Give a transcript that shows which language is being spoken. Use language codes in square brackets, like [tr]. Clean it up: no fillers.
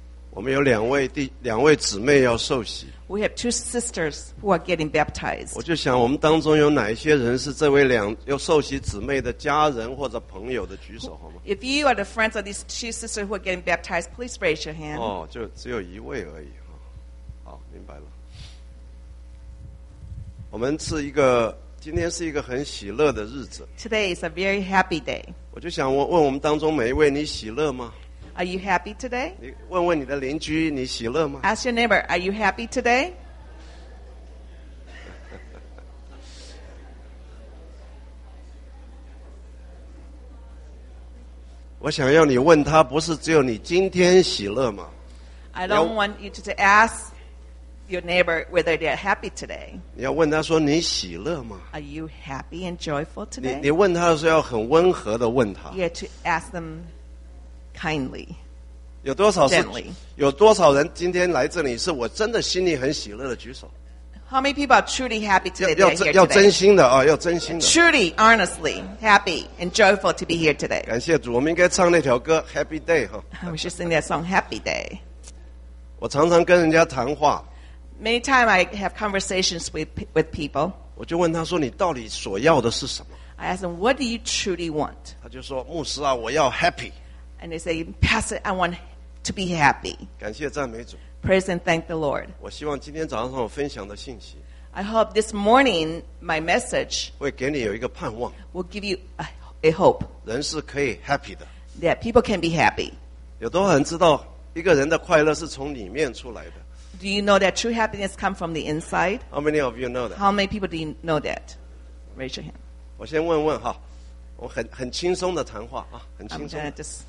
[zh] 我们有两位姊妹要受洗。 [en] We have two sisters who are getting baptized. [zh] 我就想，我们当中有哪一些人是这位两要受洗姊妹的家人或者朋友的，举手好吗 [en] ？If you are the friends of these two sisters who are getting baptized, please raise your hand. [zh] 哦，就只有一位而已啊。好，明白了。我们是一个，今天是一个很喜乐的日子。 [en] Today is a very happy day. [zh] 我就想问我们当中每一位，你喜乐吗？ [en] Are you happy today? [zh] 问你的邻居，你喜乐吗 [en] ？Ask your neighbor, are you happy today? [zh] 我想要你问他，不是只有你今天喜乐吗 [en] ？I don't want you to ask your neighbor whether they are happy today. [zh] 你要问他说你喜乐吗 [en] ？Are you happy and joyful today? [zh] 你问他的时候要很温和的问他。 [en] Yeah, to ask them. Kindly, [zh] 有多少人今天来这里是我真的心里很喜乐的举手 [en] How many people are truly happy today? [zh] 要真心的啊，要真心的 [en] Truly, honestly, happy and joyful to be here today [zh] 感谢主我们应该唱那条歌 Happy Day [en] We should sing that song Happy Day [zh] 我常常跟人家谈话 [en] Many times I have conversations with people [zh] 我就问他说你到底所要的是什么 [en] I ask them, what do you truly want? [zh] 他就说牧师啊我要 happy [en] And they say, Pastor, I want to be happy. [zh] 感谢赞美主。 [en] Praise and thank the Lord. [zh] 我希望今天早上我分享的信息。 [en] I hope this morning my message [zh] 会给你有一个盼望。 [en] Will give you a hope. [zh] 人是可以 happy 的。 [en] That people can be happy. [zh] 有多少人知道一个人的快乐是从里面出来的 [en] ？Do you know that true happiness comes from the inside? How many of you know that? How many people do you know that? Raise your hand. [zh] 我先问问哈，我很轻松的谈话啊，很轻松的。